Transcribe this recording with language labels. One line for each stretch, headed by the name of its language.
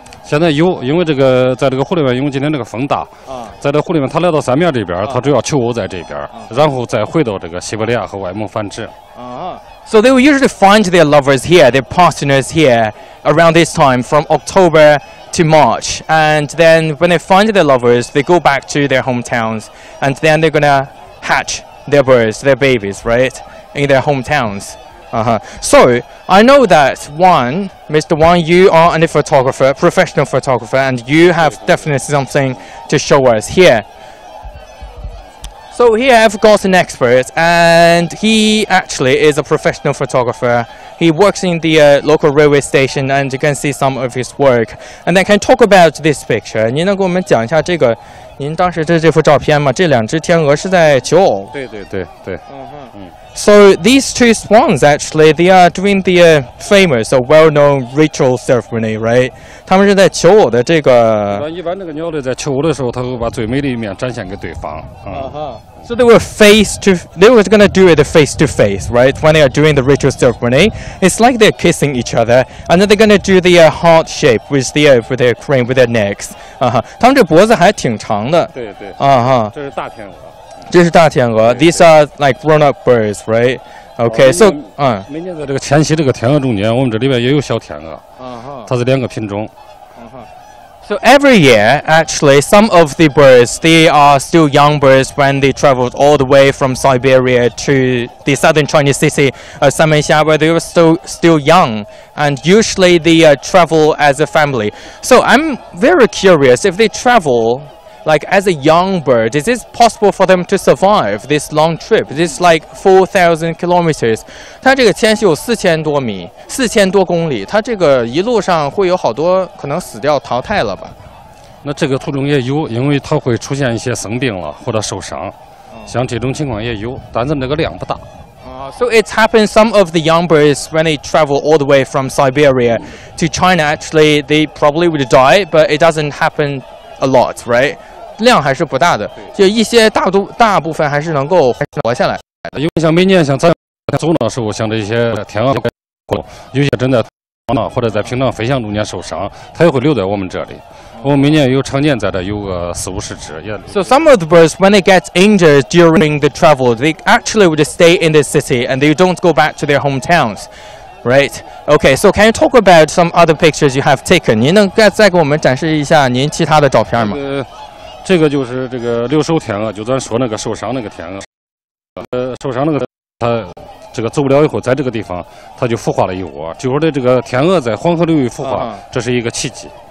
Chinese: 现在有，因为这个在这个湖里面，因为今天这个风大，在这湖里面，它来到三面这边，它主要求偶在这边，然后再回到这个西伯利亚和外蒙繁殖。
English: So they will usually find their lovers here, their partners here, around this time from October to March. And then when they find their lovers, they go back to their hometowns, and then they're gonna hatch their birds, their babies, right, in their hometowns. So I know that one, Mr. Wang, you are a photographer, professional photographer, and you have definitely something to show us here. So here I've got an expert, and he actually is a professional photographer. He works in the local railway station, and you can see some of his work. And then can talk about this picture.
Chinese: 您能给我们讲一下这个？您当时这幅照片吗？这两只天鹅是在求偶？对对对对。
English: So these two swans actually, they are doing the famous or well-known ritual ceremony, right?
Chinese: 他们是在求偶的这个。一般这个鸟类在求偶的时候，它会把最美的一面展现给对方。
English: So they were going to do it face to face, right? When they are doing the ritual ceremony, it's like they're kissing each other, and then they're going to do the heart shape with the with their crane with their necks.
Chinese: 他们这脖子还挺长的。对对。这是大天鹅。这是大天鹅
English: ，these are like grown-up birds, right? Okay, so,
Chinese: 每年在这个迁徙这个天鹅中间，我们这里边也有小天鹅，它是两个品种。
English: So every year, actually, some of the birds, they are still young birds when they traveled all the way from Siberia to the southern Chinese city of Sanmenxia, where they were still young, and usually they travel as a family. So I'm very curious if they travel. Like as a young bird, is it possible for them to survive this long trip? This is like 4,000 kilometers.
Chinese: 它这个迁徙有4000多公里，它这个一路上会有好多可能死掉淘汰了吧？那这个途中也有，因为它会出现一些生病了或者受伤，像这种情况也有，但是那个量不大。
English: So it's happened some of the young birds when they travel all the way from Siberia to China. Actually, they probably would die, but it doesn't happen. A lot, right?
Chinese: 量还是不大的，就一些大部分还是能够活下来。因为像每年像咱走的时候，像这些天鹅，有些正在平常或者在平常飞翔中间受伤，它也会留在我们这里。我们每年有常年在这有个四五十只。
English: So some of the birds, when they get injured during the travel, they actually would stay in the city and they don't go back to their hometowns. Right. Okay. So, can you talk about some other pictures you have taken?
Chinese: 您能再给我们展示一下您其他的照片吗？这个就是这个留守天鹅，就咱说那个受伤那个天鹅。受伤那个它这个走不了以后，在这个地方它就孵化了一窝。就说的这个天鹅在黄河流域孵化，这是一个奇迹。